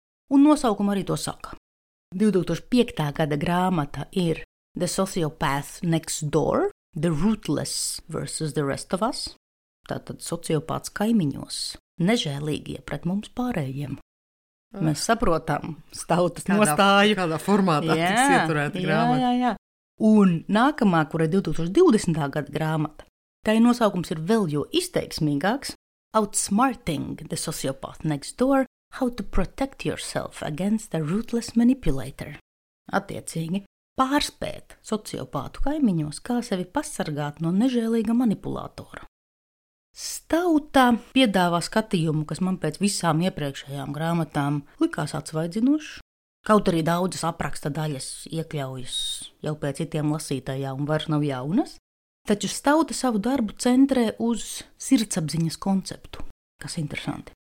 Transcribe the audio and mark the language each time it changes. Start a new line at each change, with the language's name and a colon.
Latvian: Un nosaukuma arī to saka. 2005. Gada grāmata ir The Sociopath Next Door, The Ruthless versus the Rest of Us. Tātad sociopāts kaimiņos, nežēlīgie pret mums pārējiem. Mēs saprotam stautas nostāju. Kādā formātā jā, tiks ieturēta grāmata. Jā, jā, jā. Un nākamā, kura ir 2020. Gada grāmata, tai nosaukums ir vēl jo izteiksmīgāks.
English: Outsmarting the sociopath next door, how to protect yourself against a ruthless manipulator.
Latvian: Attiecīgi, pārspēt sociopātu kaimiņos, kā sevi pasargāt no nežēlīga manipulātora. Stauta piedāvā skatījumu, kas man pēc visām iepriekšējām grāmatām likās atsvaidzinošs. Kaut arī daudzas apraksta daļas iekļaujas jau pēc citiem lasītājā un vairs nav jaunas, taču Stauta savu darbu centrē uz sirdsapziņas konceptu, kas interesanti.